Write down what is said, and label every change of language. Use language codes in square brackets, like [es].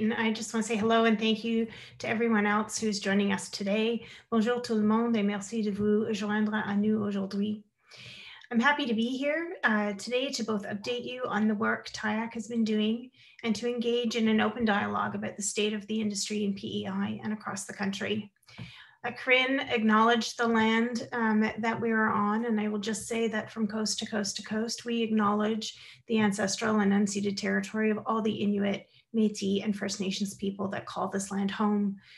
[en] And I just want to say hello and thank you to everyone else who's joining us today. [fr] Bonjour tout le monde et merci de vous joindre à nous aujourd'hui. [en] I'm happy to be here today to both update you on the work TIAC has been doing and to engage in an open dialogue about the state of the industry in PEI and across the country. Corinne acknowledged the land that we are on, and I will just say that from coast to coast to coast, we acknowledge the ancestral and unceded territory of all the Inuit, Métis, and First Nations people that call this land home.